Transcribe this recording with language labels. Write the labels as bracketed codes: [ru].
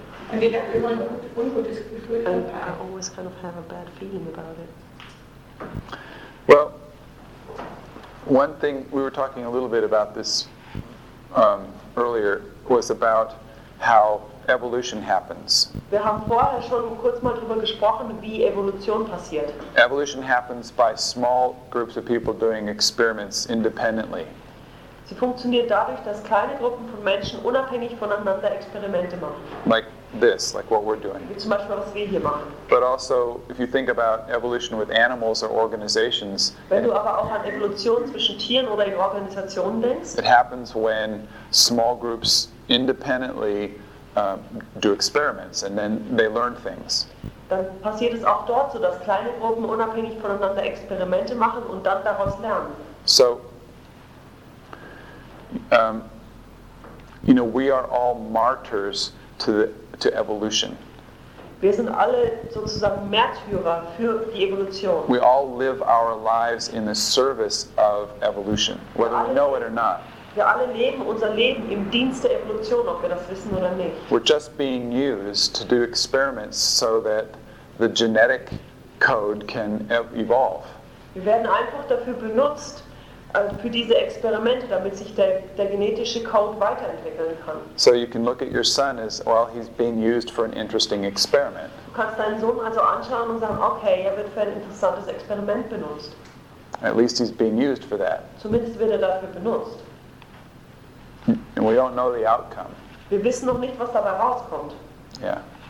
[en] And I always kind of have a bad feeling about it. Well, one thing we were talking a little bit about this earlier was about how evolution happens. [de] Wir haben vorher schon kurz mal drüber gesprochen, wie Evolution passiert. [en] Evolution happens by small groups of people doing experiments independently. [de] Sie funktioniert dadurch, dass kleine Gruppen von Menschen unabhängig voneinander Experimente machen. [en] Like this, like what we're doing. [de] Wie zum Beispiel, was wir hier machen. [en] But also, if you think about evolution with animals or organizations, [de] wenn du aber auch an Evolution zwischen Tieren oder in Organisationen denkst, [en] it happens when small groups independently do experiments and then they learn things. [de] Dann passiert es auch dort so, dass kleine Gruppen unabhängig voneinander Experimente machen und dann daraus lernen. [en] So You know, we are all martyrs to evolution. [de] Wir sind alle sozusagen Märtyrer für die Evolution. [en] We all live our lives in the service of evolution, whether we know it or not. [de] Wir alle leben unser Leben im Dienst der Evolution, ob wir das wissen oder nicht. [en] We're just being used to do experiments so that the genetic code can evolve. [de] Wir werden einfach dafür benutzt, für diese Experimente, damit sich der genetische Code weiterentwickeln kann. [en] So you can look at your son as, well, he's being used for an interesting experiment. [de] Du kannst deinen Sohn also anschauen und sagen, okay, er wird für ein interessantes Experiment benutzt. [en] At least he's being used for that. [de] Zumindest wird er dafür benutzt. [en] And we don't know the outcome. [de] Wir wissen noch nicht, was dabei rauskommt. [en] Yeah.